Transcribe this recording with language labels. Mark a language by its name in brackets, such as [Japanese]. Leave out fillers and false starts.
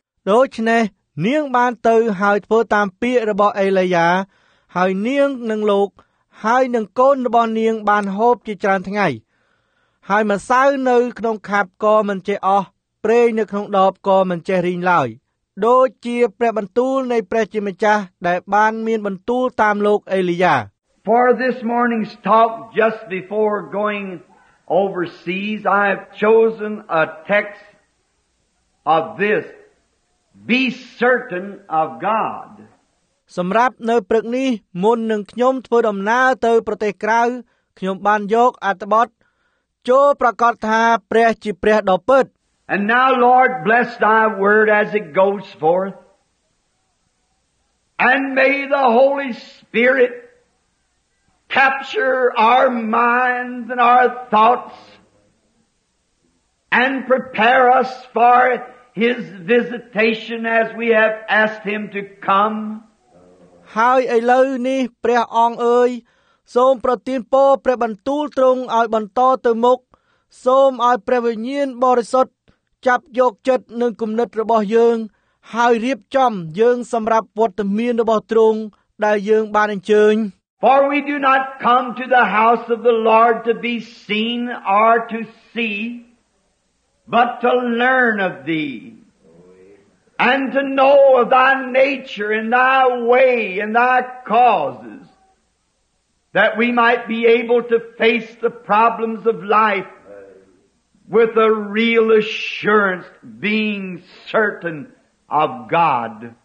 [Khmer] ដូច្នេះនាងបានទៅហើយធ្វើតាមពាក្យរបស់អេលីយ៉ាហើយនាងនិងលោកហើយនិងកូនរបស់នាងបានហូបជាច្រើនថ្ងៃហើយម្សៅនៅក្នុងខាប់ក៏មិនចេះអស់ប្រេងនៅក្នុងដបក៏មិនចេះរីងឡើយដូចជាព្រះបន្ទូលនៃព្រះជាម្ចាស់ដែលបានមានបន្ទូលតាមលោកអេលីយ៉ា [English] For this morning's talk just before going overseas I have chosen a text of this Be certain of God [Khmer] សម្រាប់នៅព្រឹកនេះមុននឹងខ្ញុំធ្វើដំណើរទៅប្រទេសក្រៅខ្ញុំបានយកអត្ថបទចូលប្រកាសថាព្រះជាព្រះដ៏ពិត [English] And now Lord bless thy word as it goes forth And may the Holy Spirit capture our minds and our thoughts And prepare us for his visitation as we have asked him to come [Khmer] ហើយឥឡូវនេះព្រះអង្គអើយសូមប្រទានពរព្រះបន្ទូលទ្រង់ឲ្យបន្តទៅមុខសូមឲ្យព្រះវិញ្ញាណបរិសុទ្ធចាប់យកចិត្តនិងគំនិតរបស់យើងហើយរៀបចំយើងសម្រាប់វត្តមានរបស់ទ្រង់ដែលយើងបានអញ្ជើញ [English] For we do not come to the house of the Lord to be seen or to see but to learn of thee and to know of thy nature and thy way and thy causes that we might be able to face the problems of lifeWith a real assurance, being certain of God.